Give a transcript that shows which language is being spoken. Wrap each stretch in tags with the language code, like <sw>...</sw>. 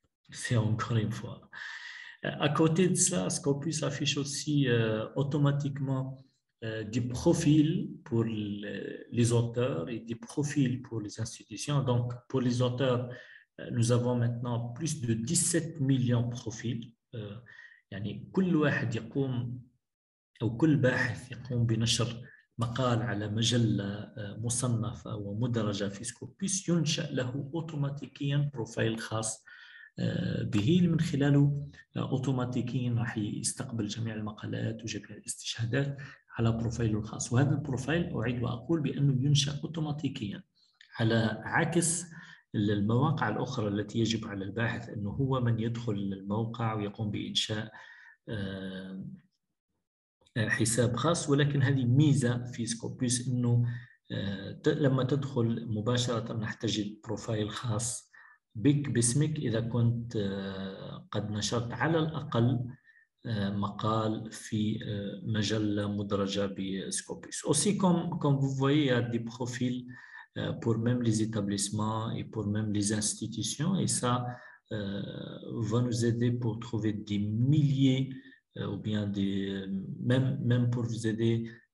<fr>C'est encore une fois. À côté de ça, Scopus affiche aussi automatiquement des profils pour les auteurs et des profils pour les institutions. Donc, pour les auteurs, nous avons maintenant plus de 17 millions de profils.</fr> <ar>يعني كل واحد يقوم أو كل باحث يقوم بنشر مقال على مجلة مصنفة ومدرجة في سكوبيس ينشأ له أوتوماتيكيا بروفايل خاص به، من خلاله اوتوماتيكيا راح يستقبل جميع المقالات وجميع الاستشهادات على بروفايله الخاص. وهذا البروفايل اعيد واقول بانه ينشا اوتوماتيكيا، على عكس المواقع الاخرى التي يجب على الباحث انه هو من يدخل الموقع ويقوم بانشاء حساب خاص. ولكن هذه ميزه في سكوبيس، انه لما تدخل مباشره راح تجد بروفايل خاص بك باسمك إذا كنت قد نشرت على الأقل مقال في مجلة مدرجة بسكوبيس.</ar> <fr>Aussi, comme vous voyez, il y a des profils pour même les établissements et pour même les institutions, et ça va nous aider pour trouver des milliers ou bien des même pour vous aider</fr>